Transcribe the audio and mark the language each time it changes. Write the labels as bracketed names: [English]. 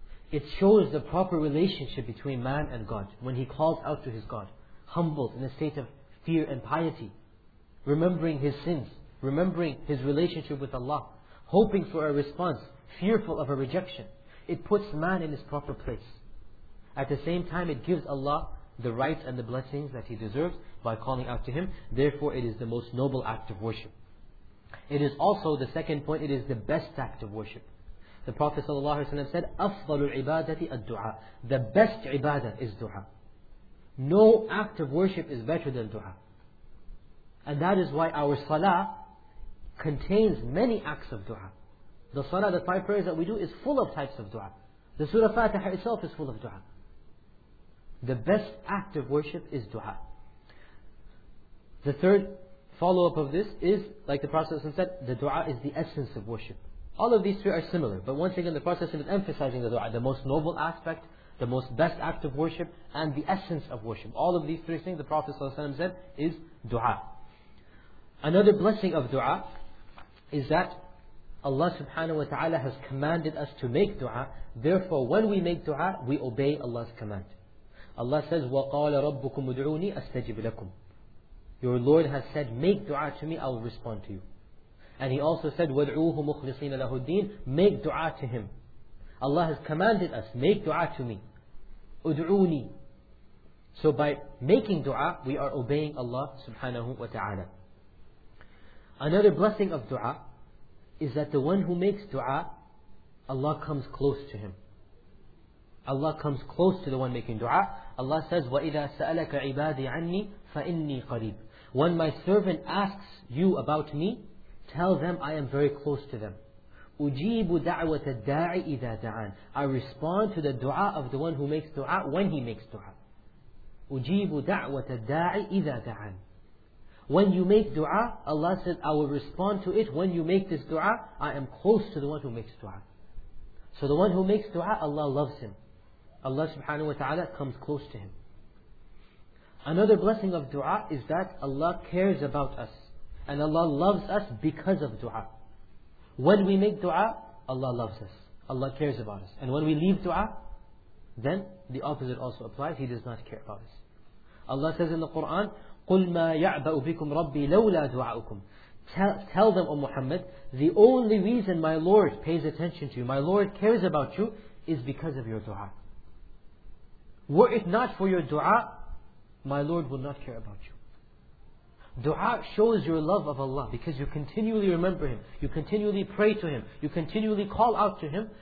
[English] It shows the proper relationship between man and God when he calls out to his God, humbled in a state of fear and piety, remembering his sins, remembering his relationship with Allah, hoping for a response, fearful of a rejection. It puts man in his proper place. At the same time, it gives Allah the rights and the blessings that he deserves by calling out to him. Therefore, it is the most noble act of worship. It is also, the second point, it is the best act of worship. The Prophet ﷺ said, [Arabic] أَفْضَلُ الْعِبَادَةِ الدُّعَى. [English] The best ibadah is dua. No act of worship is better than dua. And that is why our salah contains many acts of dua. The salah, the five prayers that we do, is full of types of dua. The surah Fatiha itself is full of dua. The best act of worship is dua. The third follow-up of this is, like the Prophet said, the dua is the essence of worship. All of these three are similar, but once again the Prophet is emphasizing the dua, the most noble aspect, the most best act of worship, and the essence of worship. All of these three things the Prophet said is dua. Another blessing of dua is that Allah subhanahu wa ta'ala has commanded us to make dua. Therefore, when we make dua, we obey Allah's command. Allah says, [Arabic] وَقَالَ رَبُّكُمْ ادْعُونِي أَسْتَجِبْ لَكُمْ. [English] Your Lord has said, make dua to me, I will respond to you. And He also said, [Arabic] وَدْعُوهُ مُخْلِصِينَ لَهُ الدِّينِ. [English] Make dua to Him. Allah has commanded us, make dua to me. [Arabic] ادْعُونِي. [English] So by making dua, we are obeying Allah subhanahu wa ta'ala. Another blessing of dua is that the one who makes dua, Allah comes close to him. Allah comes close to the one making dua. Allah says, [Arabic] وَإِذَا سَأَلَكَ عِبَادِي عَنِّي فَإِنِّي قَرِيبٌ. [English] When my servant asks you about me, tell them I am very close to them. [Arabic] أُجِيبُ دَعْوَةَ الدَّاعِ إِذَا دَعَانِ. [English] I respond to the dua of the one who makes dua when he makes dua. [Arabic] أُجِيبُ دَعْوَةَ الدَّاعِ إِذَا دَعَانِ. [English] When you make dua, Allah says, I will respond to it. When you make this dua, I am close to the one who makes dua. So the one who makes dua, Allah loves him. Allah subhanahu wa ta'ala comes close to him. Another blessing of dua is that Allah cares about us. And Allah loves us because of dua. When we make dua, Allah loves us. Allah cares about us. And when we leave dua, then the opposite also applies. He does not care about us. Allah says in the Quran, [Arabic] قُلْ مَا يَعْبَأُ بِكُمْ رَبِّي لَوْلَا دُعَاءُكُمْ. [English] Tell them, O Muhammad, the only reason my Lord pays attention to you, my Lord cares about you, is because of your dua. Were it not for your dua, my Lord will not care about you. Dua shows your love of Allah, because you continually remember Him, you continually pray to Him, you continually call out to Him.